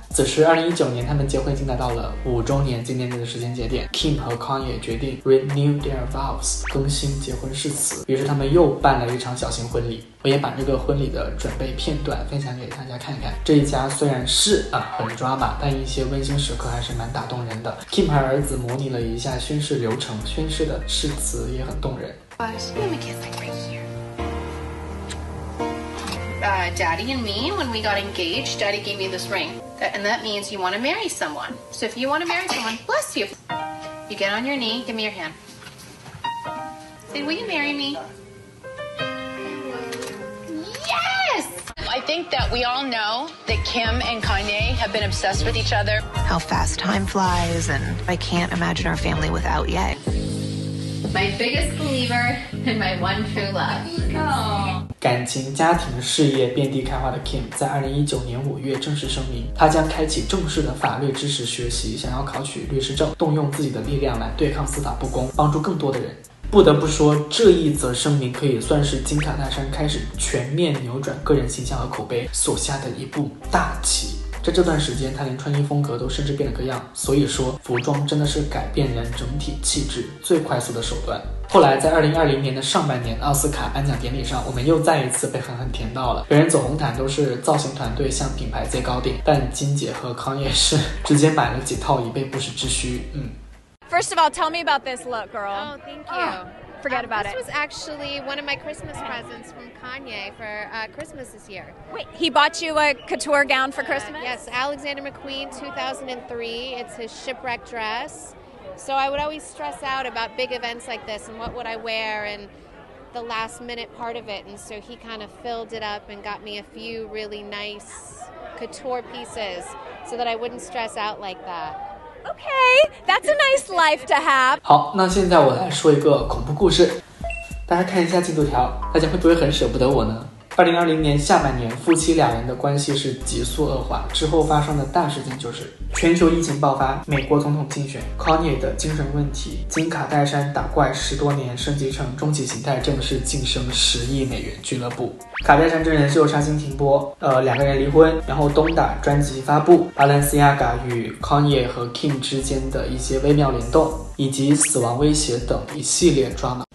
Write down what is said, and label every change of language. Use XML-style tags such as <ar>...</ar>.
<zh>此时2019年他们结婚已经来到了5周年纪念日的时间节点， Kim 和 Kanye 决定</zh> <en>renew their vows，</en> <zh>更新结婚誓词，于是他们又办了一场小型婚礼。我也把这个婚礼的准备片段分享给大家看看。这一家虽然是很抓马，但一些温馨时刻还是蛮打动人的。 Kim 和儿子模拟了一下宣誓流程，宣誓的誓词也很动人。</zh> <en>Let me kiss like right here. Daddy and me, when we got engaged, Daddy gave me this ring. And that means you want to marry someone. So if you want to marry someone, bless you. You get on your knee, give me your hand. Say, will you marry me? Yes! I think that we all know that Kim and Kanye have been obsessed with each other. How fast time flies, and I can't imagine our family without Ye. My biggest believer and my one true love. Aww.</en> <zh>感情、家庭、事业遍地开花的 Kim 在2019年5月正式声明，他将开启正式的法律知识学习，想要考取律师证，动用自己的力量来对抗司法不公，帮助更多的人。不得不说，这一则声明可以算是金卡戴珊开始全面扭转个人形象和口碑所下的一步大棋。在这段时间，他连穿衣风格都甚至变了个样，所以说服装真的是改变人整体气质最快速的手段。后来在2020年的上半年奥斯卡颁奖典礼上，我们又再一次被狠狠甜到了。人人走红毯都是造型团队向品牌借高点，但金姐和康爷是直接买了几套以备不时之需。</zh> <en>First of all, tell me about this look, girl. Oh, thank you. Forget about it. This was actually one of my Christmas presents from Kanye for Christmas this year. Wait, he bought you a couture gown for Christmas? Yes, Alexander McQueen 2003. It's his shipwreck dress. So I would always stress out about big events like this and what would I wear and the last minute part of it. And so he kind of filled it up and got me a few really nice couture pieces so that I wouldn't stress out like that. Okay, that's a nice life to have.</en> <zh>好，那现在我来说一个恐怖故事。大家看一下进度条，大家会不会很舍不得我呢？ 2020年下半年，夫妻两人的关系是急速恶化，之后发生的大事件就是全球疫情爆发，美国总统竞选， Kanye 的精神问题，金卡戴珊打怪十多年升级成终极形态，正式晋升10亿美元俱乐部，卡戴珊真人秀杀青停播，两个人离婚，然后东打专辑发布， Balenciaga 与 Kanye 和 Kim 之间的一些微妙联动，以及死亡威胁等一系列抓马。</zh>